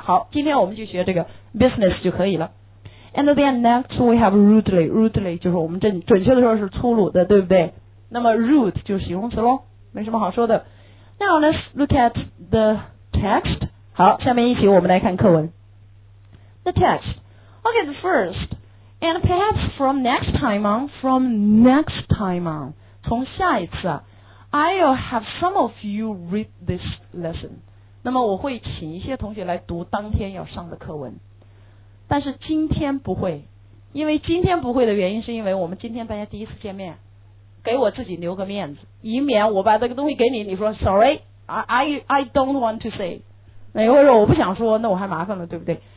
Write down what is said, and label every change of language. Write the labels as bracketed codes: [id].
[zh] 好，今天我们就学这个 business 就可以了。 [en] And then next we have rudely， rudely [zh] 就是我们准确的说是粗鲁的，对不对？那么 rude 就是形容词咯，没什么好说的。 [en] Now let's look at the text。 [zh] 好，下面一起我们来看课文。 [en] The text， OK， the first， and perhaps from next time on， from next time on， [zh] 从下一次啊， [en] I'll have some of you read this lesson。 [zh] 那么我会请一些同学来读当天要上的课文，但是今天不会。因为今天不会的原因是因为我们今天大家第一次见面，给我自己留个面子，以免我把这个东西给你，你说 [en] sorry I don't want to say， [zh] 那你会说我不想说，那我还麻烦了，对不对？